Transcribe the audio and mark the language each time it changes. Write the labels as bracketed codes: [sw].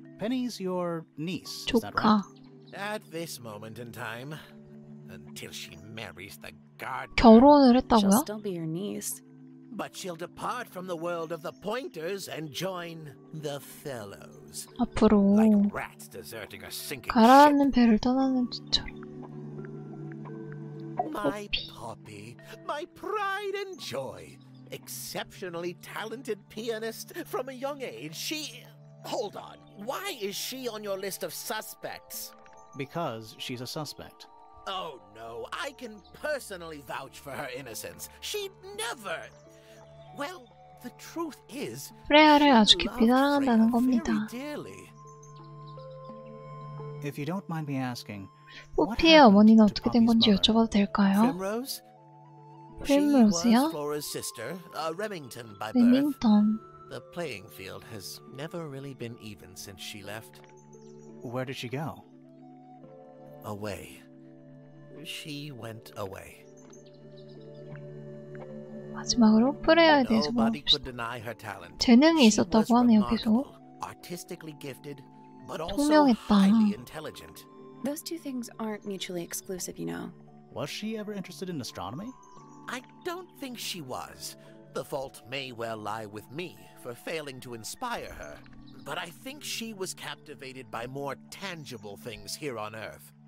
[en] Penny's your niece, [ko] 조카. [en] Is that right? At this moment in time, until she marries the gardener. [ko] 결혼을 했다고요? [en] She'll still be your niece. But she'll depart from the world of the pointers and join the fellows. [ko] 앞으로 [en] like rats deserting a sinking ship. [ko] 가라앉는 배를 떠나는 것처럼. [en] My Poppy, my pride and joy. Exceptionally talented pianist from a young age. She... Hold on. Why is she on your list of suspects? Because she's a suspect. Oh, no. I can personally vouch for her innocence. She'd never... Well, the truth is... If you don't mind me asking... [ko] Poppy의 어머니는 어떻게 된 건지 여쭤봐도 될까요? [en] Primrose? Primrose, yeah? She was Flora's sister, Remington by Remington. Birth. The playing field has never really been even since she left. Where did she go? Away. She went away. [ko] 마지막으로 프레아에 대해서 [en] Nobody could deny her talent. [ko] 재능이 있었다고 하네요, 계속. [en] Artistically gifted, but [ko] 투명했다. [en] Also highly intelligent. Those two things aren't mutually exclusive, you know. Was she ever interested in astronomy? I don't think she was. The fault may well lie with me for failing to inspire her. But I think she was captivated by more tangible things here on Earth.